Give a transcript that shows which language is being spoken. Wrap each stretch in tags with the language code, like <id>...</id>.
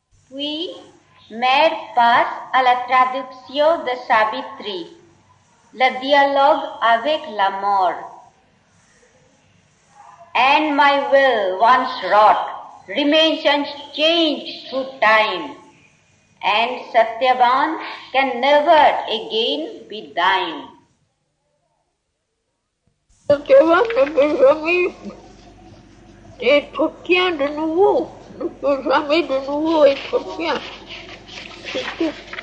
<fr>Oui, mère passe à la traduction de Savitri, le dialogue avec la mort.</fr> <en>And my will, once wrought, remains unchanged through time, and Satyavan can never again be thine.</en> <fr>Satyavan ne peut jamais être tien de nouveau. Je ne peux jamais de nouveau être bien. C'est tout.</fr>